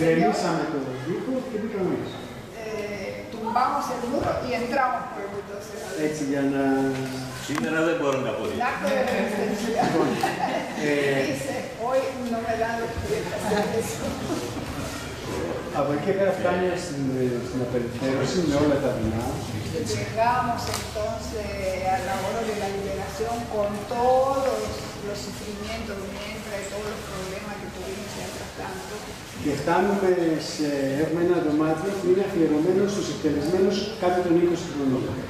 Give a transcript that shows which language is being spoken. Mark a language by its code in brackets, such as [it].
[el] Γκρεμίσαμε το δίχο και μπήκαμε μέσα. [es] Tumbamos el muro y entramos por el bulldozer. [el] Έτσι για να. Σήμερα δεν μπορώ να πω. Λάκτο δεν είναι. Λοιπόν. Από εκεί πέρα φτάνει στην απελευθέρωση με όλα τα βουνά. [es] Llegamos entonces a la hora de la liberación con todos los sufrimientos mientras y todos los problemas que tuvimos entre tanto. [el] Και φτάνουμε σε ένα δωμάτιο που είναι αφιερωμένο στους εκτελεσμένους κάτω των 20 χρονών.